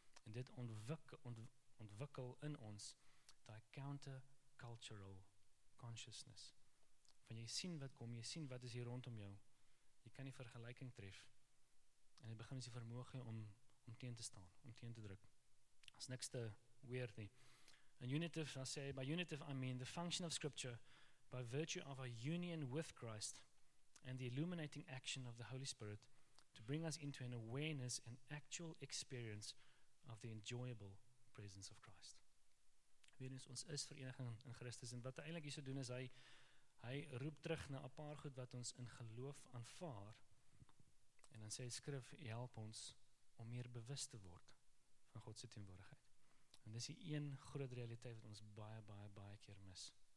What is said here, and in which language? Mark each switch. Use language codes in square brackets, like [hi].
[af] En dit ontwikkel in ons die counter-cultural consciousness. Van jy sien wat kom, jy sien wat is hier rondom jou, jy kan die vergelyking tref, en jy begin met die vermoë om teen te staan, om teen te druk. Dis niks te weird nie. [en] En unitive, [af] dan sê hy, [en] by unitive I mean the function of scripture by virtue of our union with Christ and the illuminating action of the Holy Spirit to bring us into an awareness and actual experience of the enjoyable presence of Christ. [af] Weerens, ons is vereniging in Christus en wat hy eintlik hierso doen is hy roep terug na 'n paar goed wat ons in geloof aanvaar en dan sê die skrif help ons om meer bewus te word van God se teenwoordigheid. En dis die een groot realiteit wat ons baie keer mis.